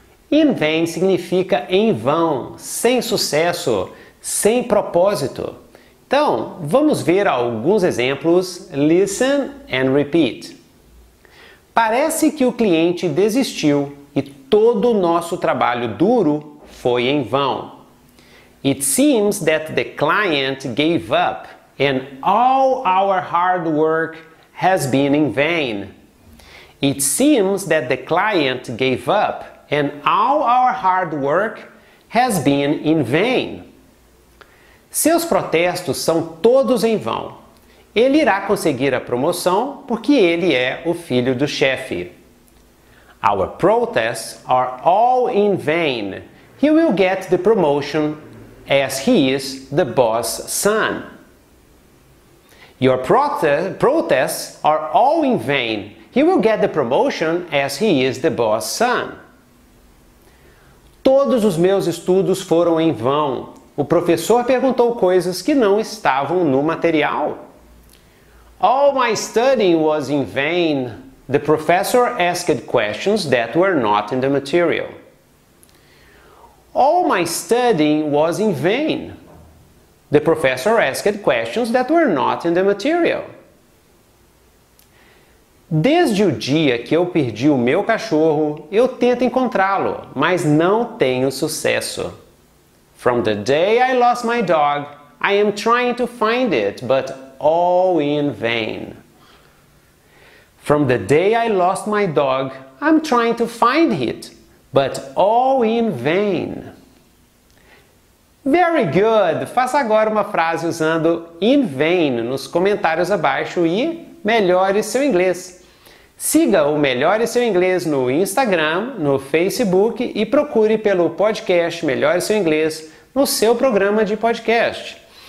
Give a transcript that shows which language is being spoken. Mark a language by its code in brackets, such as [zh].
[pt] In vain significa em vão, sem sucesso, sem propósito. Então, vamos ver alguns exemplos. [en] Listen and repeat. [pt] Parece que o cliente desistiu e todo o nosso trabalho duro foi em vão. [en] It seems that the client gave up and all our hard work has been in vain. It seems that the client gave up and all our hard work has been in vain. [pt] Seus protestos são todos em vão. Ele irá conseguir a promoção porque ele é o filho do chefe. [en] Our protests are all in vain. He will get the promotion as he is the boss' son. Your protests are all in vain. He will get the promotion as he is the boss' son. [pt] Todos os meus estudos foram em vão. O professor perguntou coisas que não estavam no material. [en] All my studying was in vain. The professor asked questions that were not in the material. All my studying was in vain. The professor asked questions that were not in the material. [pt] Desde o dia que eu perdi o meu cachorro, eu tento encontrá-lo, mas não tenho sucesso. [en] From the day I lost my dog, I am trying to find it, but all in vain. From the day I lost my dog, I'm trying to find it, but all in vain. Very good! [pt] Faça agora uma frase usando in vain nos comentários abaixo e melhore seu inglês. Siga o Melhore Seu Inglês no Instagram, no Facebook e procure pelo podcast Melhore Seu Inglês no seu programa de podcast.